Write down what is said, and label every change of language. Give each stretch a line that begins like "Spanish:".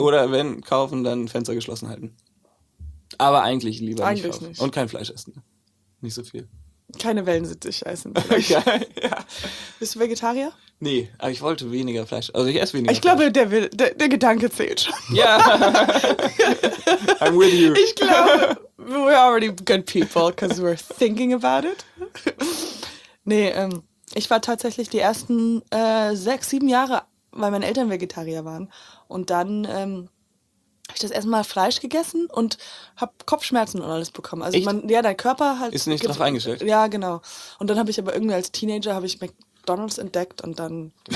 German: Oder wenn kaufen, dann Fenster geschlossen halten. Aber eigentlich lieber eigentlich nicht kaufen. Und kein Fleisch essen. Nicht so viel. Keine Wellensittich essen. Ja. Bist du Vegetarier? Nee, aber ich wollte weniger Fleisch. Also ich esse weniger Ich glaube, der Gedanke zählt schon. Ja.
English: Yeah. I'm with you.
German: Ich glaube,
English: we're already good people, because we're thinking about it.
German: Nee, ich war tatsächlich die ersten 6, 7 Jahre, weil meine Eltern Vegetarier waren. Und dann habe ich das erste Mal Fleisch gegessen und habe Kopfschmerzen und alles bekommen. Also dein Körper halt... Ist nicht drauf eingestellt. Ja, genau. Und dann habe ich aber irgendwie als Teenager, habe ich McDonald's entdeckt und dann...